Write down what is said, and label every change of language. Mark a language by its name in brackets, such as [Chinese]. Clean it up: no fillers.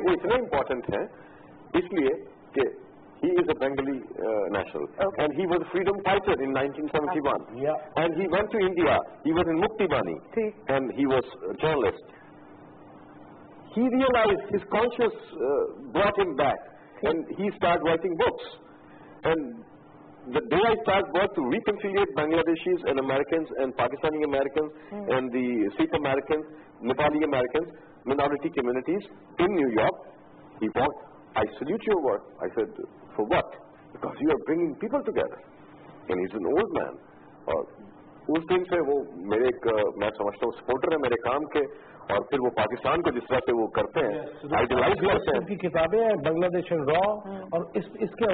[Urdu] وہ اتنا امپورٹنٹ ہے اس لیے کہ [English] he is a Bengali national okay. and he was a freedom fighter in 1971 yeah. and he went to India, he was in Mukti Bani and he was a journalist. He realized his conscience brought him back and he started writing books. And the day I start work to reconfigure Bangladeshis and Americans and Pakistani Americans and the Sikh Americans, Nepali Americans, minority communities in New York, he thought, I salute your work. I said, for what? Because you are bringing people together. And he's an old man. [Urdu] اس دن سے وہ میرے ایک میں سمجھتا ہوں supporter ہے میرے کام کے. اور پھر وہ پاکستان کو جس طرح سے وہ کرتے ہیں آئیڈیلائز کرتے ہیں. کتابیں ہیں بنگلہ دیش را اور اس کے